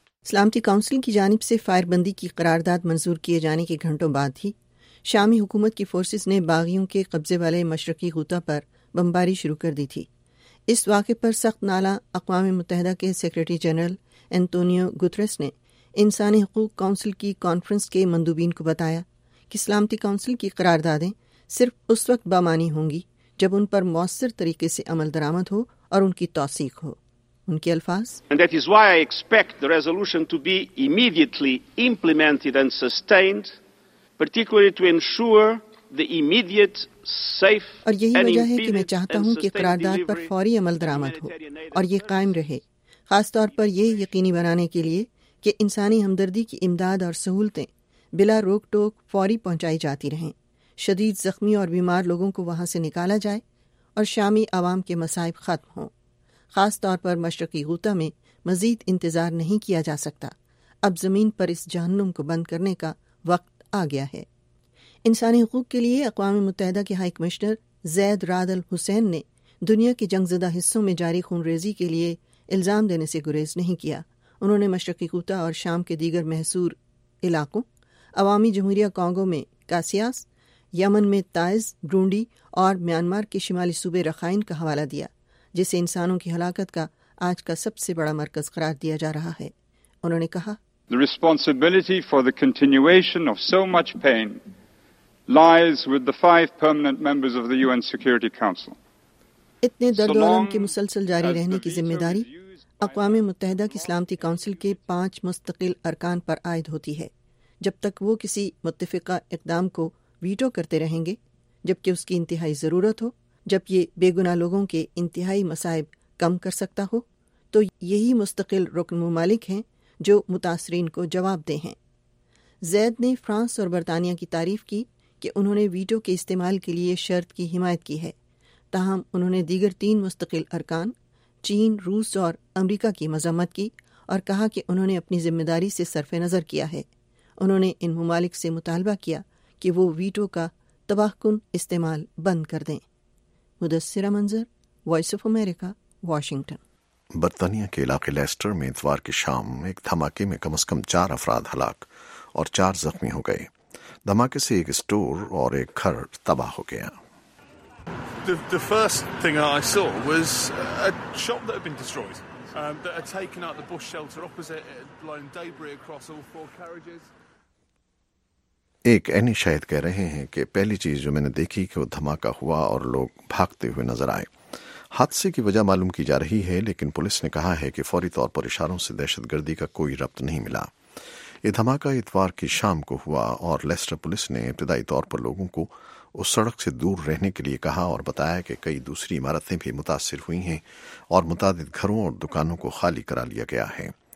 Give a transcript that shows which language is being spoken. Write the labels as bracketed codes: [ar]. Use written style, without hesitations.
[ur] سلامتی کونسل کی جانب سے فائر بندی کی قرارداد منظور کیے جانے کے گھنٹوں بعد ہی شامی حکومت کی فورسز نے باغیوں کے قبضے والے مشرقی غوطہ پر بمباری شروع کر دی تھی۔ اس واقعے پر سخت نالہ اقوام متحدہ کے سیکرٹری جنرل اینٹونیو گوٹرس نے انسانی حقوق کونسل کی کانفرنس کے مندوبین کو بتایا کہ سلامتی کونسل کی قراردادیں صرف اس وقت بامانی ہوں گی جب ان پر مؤثر طریقے سے عمل درآمد ہو اور ان کی توثیق ہو۔ ان کے الفاظ، [en] And that is why I expect the resolution to be immediately implemented and sustained, particularly to ensure the immediate, safe and [ur] اور یہی وجہ ہے کہ میں چاہتا ہوں کہ قرارداد پر فوری عمل درآمد ہو اور یہ قائم رہے، خاص طور پر یہ یقینی بنانے کے لیے کہ انسانی ہمدردی کی امداد اور سہولتیں بلا روک ٹوک فوری پہنچائی جاتی رہیں، شدید زخمی اور بیمار لوگوں کو وہاں سے نکالا جائے اور شامی عوام کے مصائب ختم ہوں۔ خاص طور پر مشرقی غوطہ میں مزید انتظار نہیں کیا جا سکتا، اب زمین پر اس جہنم کو بند کرنے کا وقت آ گیا ہے۔ انسانی حقوق کے لیے اقوام متحدہ کے ہائی کمشنر زید راد الحسین نے دنیا کے جنگ زدہ حصوں میں جاری خون ریزی کے لیے الزام دینے سے گریز نہیں کیا۔ انہوں نے مشرقی غوطہ اور شام کے دیگر محصور علاقوں، عوامی جمہوریہ کانگو میں کاسیاس، یمن میں تائز، برونڈی اور میانمار کے شمالی صوبے رخائن کا حوالہ دیا، جسے انسانوں کی ہلاکت کا آج کا سب سے بڑا مرکز قرار دیا جا رہا ہے۔ انہوں نے کہا، [en] The responsibility for the continuation of so much pain lies with the 5 permanent members of the UN Security Council. [ur] اتنے درد و الم کے مسلسل جاری رہنے کی ذمہ داری اقوام متحدہ کی سلامتی کونسل کے 5 مستقل ارکان پر عائد ہوتی ہے۔ جب تک وہ کسی متفقہ اقدام کو ویٹو کرتے رہیں گے، جبکہ اس کی انتہائی ضرورت ہو، جب یہ بے گناہ لوگوں کے انتہائی مصائب کم کر سکتا ہو، تو یہی مستقل رکن ممالک ہیں جو متاثرین کو جواب دے ہیں۔ زید نے فرانس اور برطانیہ کی تعریف کی کہ انہوں نے ویٹو کے استعمال کے لیے شرط کی حمایت کی ہے، تاہم انہوں نے دیگر 3 مستقل ارکان، چین، روس اور امریکہ کی مذمت کی اور کہا کہ انہوں نے اپنی ذمہ داری سے صرف نظر کیا ہے۔ انہوں نے ان ممالک سے مطالبہ کیا کہ وہ ویٹو کا تباہ کن استعمال بند کر دیں۔ مدثرہ منظر، وائس آف امریکہ، واشنگٹن۔ برطانیہ کے علاقے لیسٹر میں اتوار کی شام ایک دھماکے میں کم از کم 4 افراد ہلاک اور 4 زخمی ہو گئے۔ دھماکے سے ایک اسٹور اور ایک گھر تباہ ہو گیا۔ [en] The first thing I saw was a shop that had been destroyed, that had taken out the bush shelter opposite. It had blown debris across all four carriages. [ur] ایک عینی شاہد کہہ رہے ہیں کہ پہلی چیز جو میں نے دیکھی کہ وہ دھماکہ ہوا اور لوگ بھاگتے ہوئے نظر آئے. حادثے کی وجہ معلوم کی جا رہی ہے لیکن پولیس نے کہا ہے کہ فوری طور پر اشاروں سے دہشت گردی کا کوئی ربط نہیں ملا. یہ دھماکہ اتوار کی شام کو ہوا اور لیسٹر پولیس نے ابتدائی طور پر لوگوں کو اس سڑک سے دور رہنے کے لیے کہا اور بتایا کہ کئی دوسری عمارتیں بھی متاثر ہوئی ہیں اور متعدد گھروں اور دکانوں کو خالی کرا لیا گیا ہے.